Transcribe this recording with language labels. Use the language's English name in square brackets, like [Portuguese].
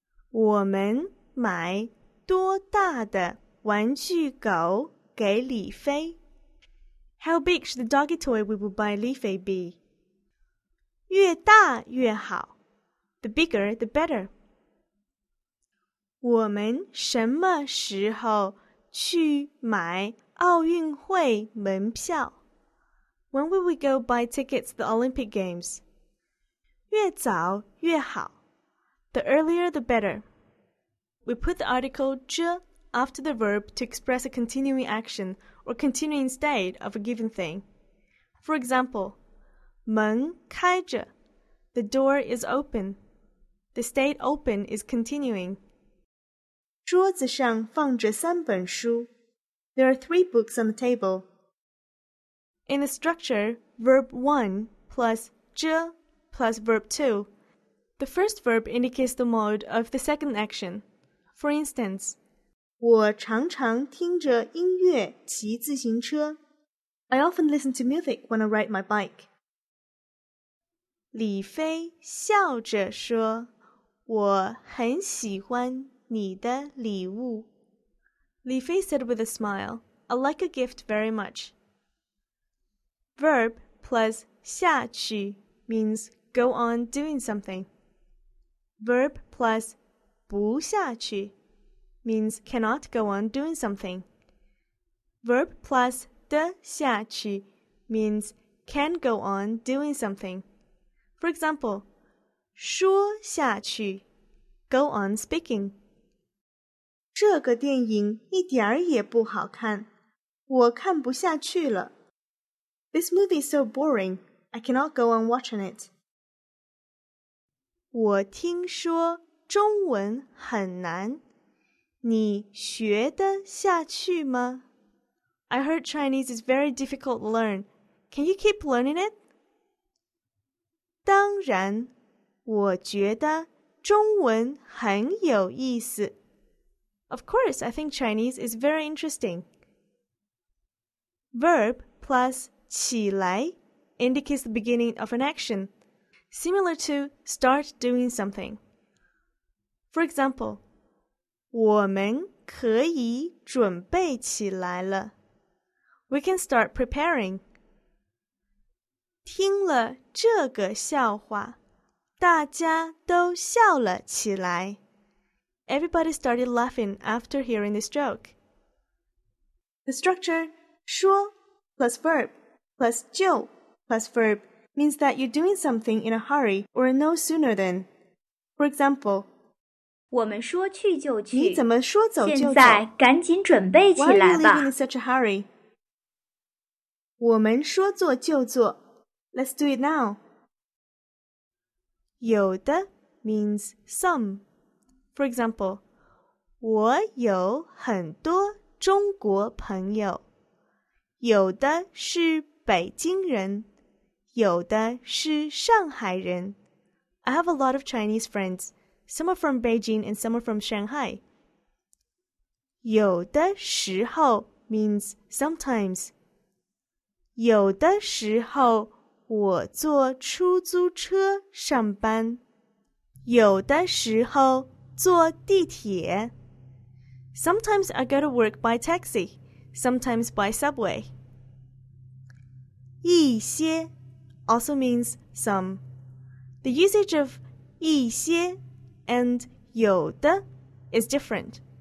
[Chinese] 我们买多大的玩具狗给李飞 [English] How big should the doggy toy we will buy Li Fei be? [Chinese] 越大越好 [English] The bigger, the better. [Chinese] 我们什么时候去买奥运会门票? [English] When will we go buy tickets to the Olympic Games? [Chinese] 越早越好。 [English] The earlier, the better. We put the article 这 after the verb to express a continuing action or continuing state of a given thing. For example, [Chinese] 门开着 [English] The door is open. The state open is continuing. [Chinese] 桌子上放着三本书。 [English] There are three books on the table. In the structure, verb 1 plus 这 plus verb 2, the first verb indicates the mode of the second action. For instance, [Chinese] 我常常听着音乐骑自行车。 [English] I often listen to music when I ride my bike. [Chinese] 李飞笑着说，我很喜欢。你的礼物。 [English] 李飞 said with a smile, I like a gift very much. Verb plus 下去 means go on doing something. Verb plus [Chinese] 不下去 [English] means cannot go on doing something. Verb plus 的下去 means can go on doing something. For example, [Chinese] 说下去 [English] go on speaking. [Chinese] 这个电影一点儿也不好看，我看不下去了。 [English] This movie is so boring. I cannot go on watching it. [Chinese] 我听说中文很难，你学得下去吗 [English] ？I heard Chinese is very difficult to learn. Can you keep learning it? [Chinese] 当然，我觉得中文很有意思。 [English] Of course, I think Chinese is very interesting. Verb plus 起来 indicates the beginning of an action, similar to start doing something. For example, [Chinese] 我们可以准备起来了。 [English] We can start preparing. [Chinese] 听了这个笑话，大家都笑了起来。 [English] Everybody started laughing after hearing this joke. The structure 说 plus verb plus 就 plus verb means that you're doing something in a hurry or no sooner than. For example, [Chinese] 我们说去就去，你怎么说走就走？现在赶紧准备起来吧。 [English] Why are you leaving in such a hurry? [Chinese] 我们说做就做。 [English] Let's do it now. 有的 means some. For example, [Chinese] 我有很多中国朋友，有的是北京人，有的是上海人。 [English] I have a lot of Chinese friends. Some are from Beijing and some are from Shanghai. 有的时候 means sometimes. [Chinese] 有的时候我坐出租车上班，有的时候坐地铁。 [English] Sometimes I go to work by taxi, sometimes by subway. [Chinese] 一些 [English] also means some. The usage of [Chinese] 一些 [English] and 有的 is different.